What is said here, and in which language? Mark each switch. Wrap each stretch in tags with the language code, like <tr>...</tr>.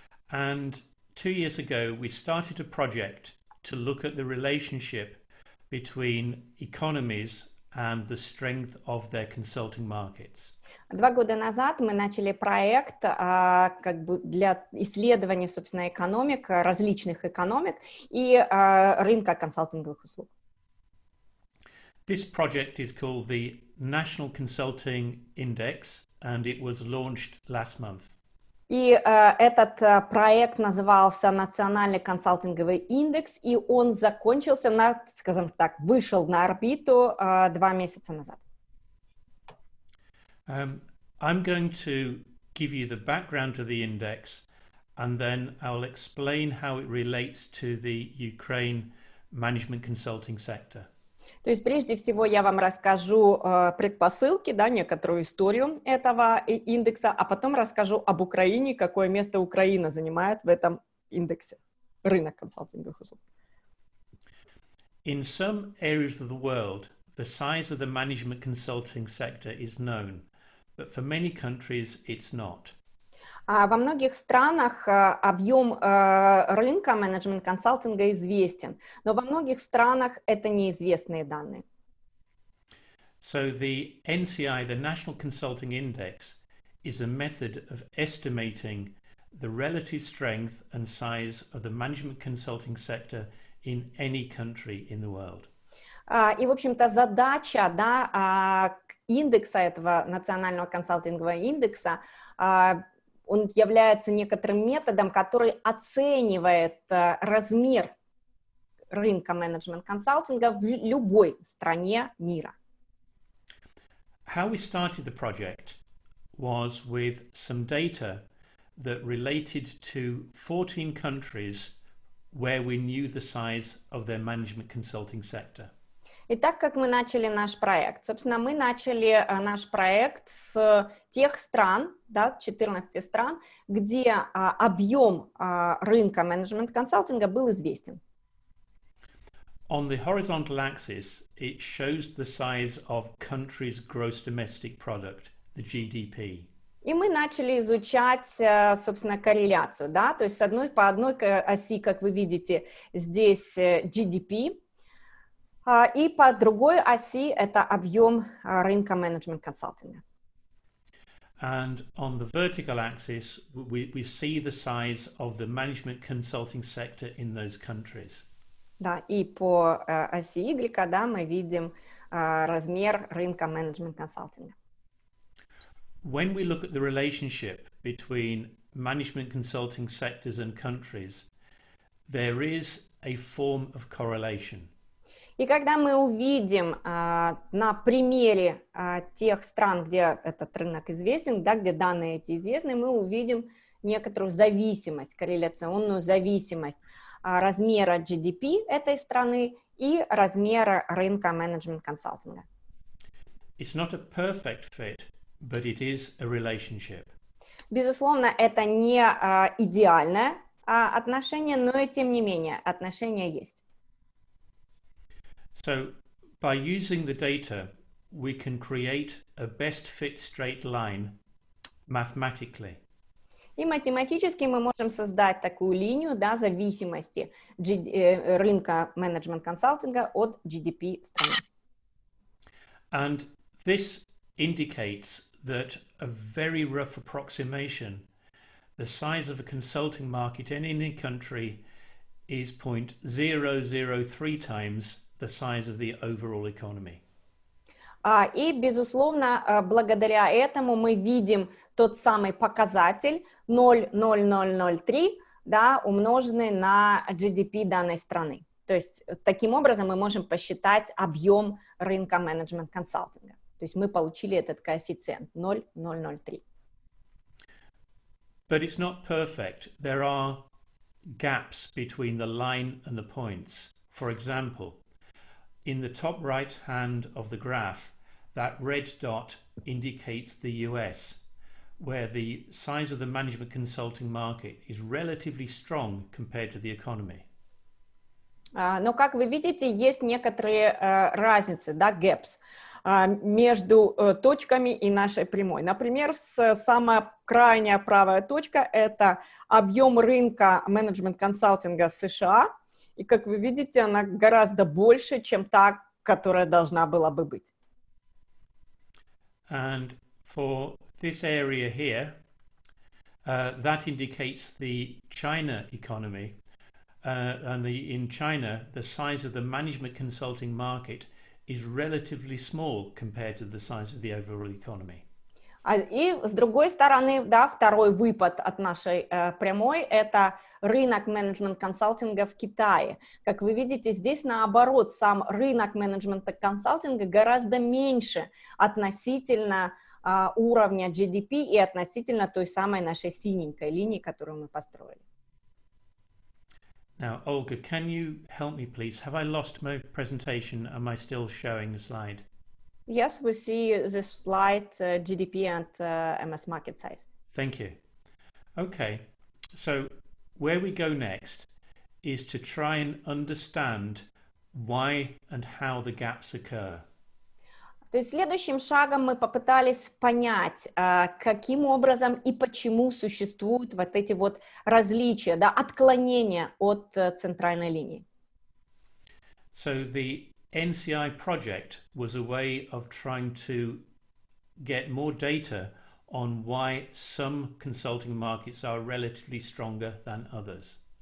<en>And 2 years ago we started a project to look at the relationship between economies and the strength of their consulting markets.</en> <ru>2 года назад мы начали проект как бы для исследования, собственно, экономик, различных экономик и рынка консалтинговых услуг.</ru> <en>This project is called the National Consulting Index, and it was launched last month.</en> <ru>И этот проект назывался Национальный консалтинговый индекс, и он закончился, скажем так, вышел на орбиту 2 месяца назад.</ru> <en>I'm going to give you the background to the index, and then I'll explain how it relates to the Ukraine management consulting sector.</en> <ru>То есть прежде всего я вам расскажу предпосылки, да, некоторую историю этого индекса, а потом расскажу об Украине, какое место Украина занимает в этом индексе, рынок консалтинговых услуг.</ru> <en>In some areas of the world, the size of the management consulting sector is known. But for many countries, it's not.</en> <ru>Во многих странах объем рынка менеджмент-консалтинга известен, но во многих странах это неизвестные данные.</ru> <en>So the NCI, the National Consulting Index, is a method of estimating the relative strength and size of the management consulting sector in any country in the world.</en> <ru>И, в общем-то, задача, да, индекса этого национального консалтингового индекса, он является некоторым методом, который оценивает размер рынка менеджмент-консалтинга в любой стране мира.</ru> <en>How we started the project was with some data that related to 14 countries where we knew the size of their management consulting sector.</en> <ru>И так как мы начали наш проект, собственно, мы начали наш проект с тех стран, да, 14 стран, где объем рынка менеджмент-консалтинга был известен.</ru> <en>On the horizontal axis, it shows the size of countries' gross domestic product, the GDP.</en> <ru>И мы начали изучать, собственно, корреляцию, да, то есть одной по одной оси, как вы видите, здесь GDP, и по другой оси это объем рынка менеджмент консалтинга.</ru> <en>And on the vertical axis, we see the size of the management consulting sector in those countries.</en> <ru>Да, и по оси Y, да, мы видим размер рынка менеджмент консалтинга.</ru> <en>When we look at the relationship between management consulting sectors and countries, there is a form of correlation.</en> <ru>И когда мы увидим на примере тех стран, где этот рынок известен, да, где данные эти известны, мы увидим некоторую зависимость, корреляционную зависимость размера GDP этой страны и размера рынка менеджмент консалтинга.</ru> <en>It's not a perfect fit, but it is a relationship.</en> <ru>Безусловно, это не идеальное отношение, но и тем не менее отношения есть.</ru> <en>So, by using the data, we can create a best fit straight line mathematically.</en> <ru>И математически мы можем создать такую линию, да, зависимости рынка менеджмент консалтинга от GDP страны.</ru> <en>And this indicates that a very rough approximation, the size of a consulting market in any country is 0.003 times the size of the overall economy.</en> <ru>И безусловно, благодаря этому мы видим тот самый показатель 0.0003, да, умноженный на GDP данной страны. То есть таким образом мы можем посчитать объем рынка менеджмент консалтинга. То есть мы получили этот коэффициент 0.003.</ru> <en>But it's not perfect. There are gaps between the line and the points. For example, in the top right hand of the graph, that red dot indicates the US, where the size of the management consulting market is relatively strong compared to the economy.</en> <ru>Но как вы видите, есть некоторые разницы, да, gaps, между точками и нашей прямой. Например, самая крайняя правая точка – это объем рынка менеджмент консалтинга США. И, как вы видите, она гораздо больше, чем та, которая должна была бы быть.</ru> <en>And for this area here, that indicates the China economy. And the, in China, the size of the management consulting market is relatively small compared to the size of the overall economy.</en> <ru>И с другой стороны, да, второй выпад от нашей прямой – это рынок менеджмент консалтинга в Китае. Как вы видите, здесь наоборот, сам рынок менеджмента консалтинга гораздо меньше относительно уровня GDP и относительно той самой нашей синенькой линии, которую мы построили.</ru> <en>Now, Olga, can you help me, please? Have I lost my presentation? Am I still showing the slide? Yes, we see the slide, GDP and MS market size. Thank you. Okay, so where we go next is to try and understand why and how the gaps occur.</en> <ru>То есть следующим шагом мы попытались понять, каким образом и почему существуют вот эти вот различия, да, отклонения от центральной линии.</ru> <en>So the NCI project was a way of trying to get more data on why some consulting markets are relatively stronger than others.</en>